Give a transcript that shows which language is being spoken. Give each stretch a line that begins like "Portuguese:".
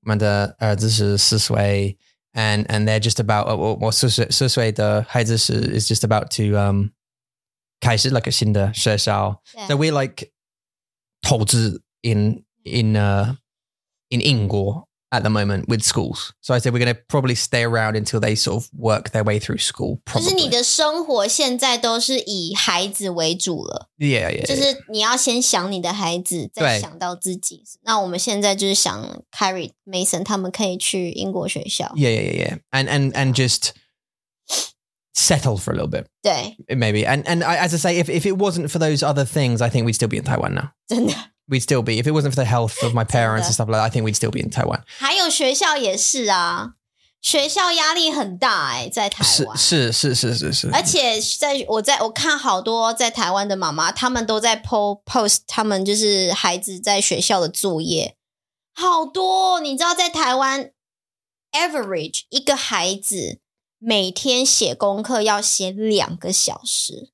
English: And they're just about, well,
Chinese: 四岁的孩子
English: is just about to,
Chinese: 开始
English: like a
Chinese: 新的学校.
English: So we're like, 投资 in 英国 at the moment with schools. So I said, we're going to probably stay around until they sort of work their way through school.
Chinese: 就是你的生活现在都是以孩子为主了.
English: Yeah, yeah, yeah.
Chinese: 就是你要先想你的孩子再想到自己。那我们现在就是想 carry Mason, 他们可以去英国学校。
English: Yeah, yeah, yeah. And just settle for a little bit.
Chinese: 对。
English: Maybe. And I, as I say, if it wasn't for those other things, I think we'd still be in Taiwan now.
Chinese: 真的。
English: We'd still be. If it wasn't for the health of my parents and stuff like that, I think we'd still be in Taiwan.
Chinese: 还有学校也是啊。学校压力很大欸在台湾。是。而且我看好多在台湾的妈妈他们都在 post 他们就是孩子在学校的作业。好多你知道在台湾 average 一个孩子每天写功课要写两个小时。